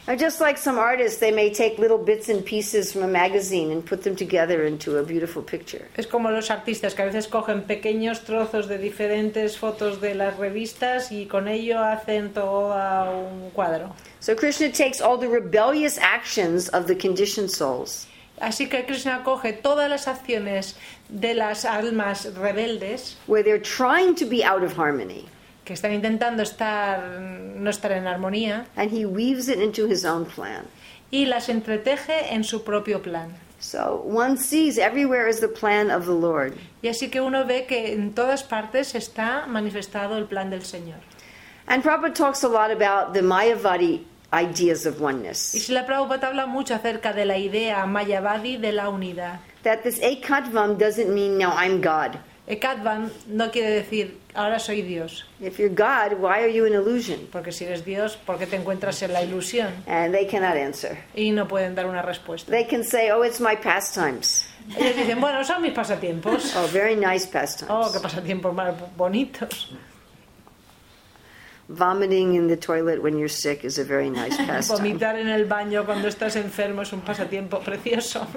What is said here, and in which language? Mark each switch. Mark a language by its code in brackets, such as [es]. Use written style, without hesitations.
[en] And just like some artists, they may take little bits and pieces from a magazine and put them together into a beautiful picture. [es] Es como los artistas que a veces cogen pequeños trozos de diferentes fotos de las revistas y con ello hacen todo un cuadro. [en] So Krishna takes all the rebellious actions of the conditioned souls. [es] Así que Krishna coge todas las acciones de las almas rebeldes, [en] where they're trying to be out of harmony, [es] que están intentando estar no estar en armonía, [en] and he weaves it into his own plan, [es] y las entreteje en su propio plan. [en] So one sees everywhere is the plan of the Lord. [es] Y así que uno ve que en todas partes está manifestado el plan del Señor. [en] And Prabhupada talks a lot about the Mayavadi ideas of oneness. [es] Y Srila Prabhupada habla mucho acerca de la idea mayavadi de la unidad. [en] That this ekatvam doesn't mean now I'm God. [es] Ekatvam no quiere decir ahora soy Dios. [en] If you're God, why are you an illusion? [es] Porque si eres Dios, ¿por qué te encuentras en la ilusión? [en] And they cannot answer. [es] Y no pueden dar una respuesta. [en] They can say, oh, it's my pastimes. [es] Ellos dicen, bueno, son mis pasatiempos. [en] Oh, very nice pastimes. [es] Oh, qué pasatiempos más bonitos. [en] Vomiting in the toilet when you're sick is a very nice pastime. [es] Vomitar en el baño cuando estás enfermo es un pasatiempo precioso.